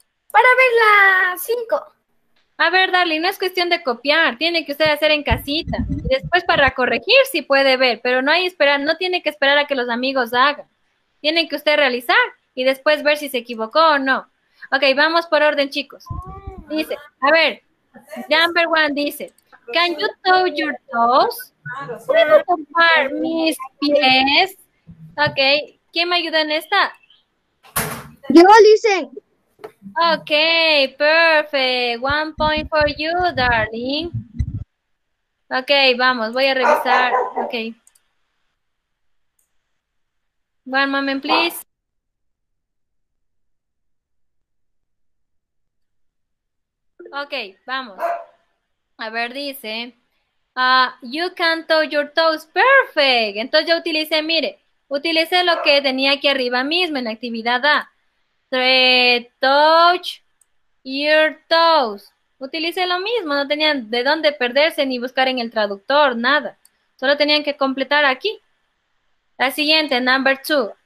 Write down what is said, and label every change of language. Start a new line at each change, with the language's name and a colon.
Spanish: Para ver la 5. A ver, darling, no es cuestión de copiar, tiene que usted hacer en casita. Y después para corregir sí puede ver, pero no hay esperar, no tiene que esperar a que los amigos hagan. Tiene que usted realizar y después ver si se equivocó o no. Ok, vamos por orden, chicos. Dice, a ver, number one dice,
English: can you touch your toes?
Spanish: ¿Puedo tocar mis pies? Ok, ¿quién me ayuda en esta? Yo,
English: listen. Ok, perfect. One point for you, darling.
Spanish: Ok, vamos, voy a revisar. Ok.
English: One moment, please.
Spanish: Okay, vamos. A ver, dice,
English: you can touch your toes, perfect.
Spanish: Entonces yo utilicé, mire, utilicé lo que tenía aquí arriba mismo en la actividad A.
English: Touch your toes.
Spanish: Utilicé lo mismo, no tenían de dónde perderse ni buscar en el traductor, nada. Solo tenían que completar aquí. La siguiente,
English: number two.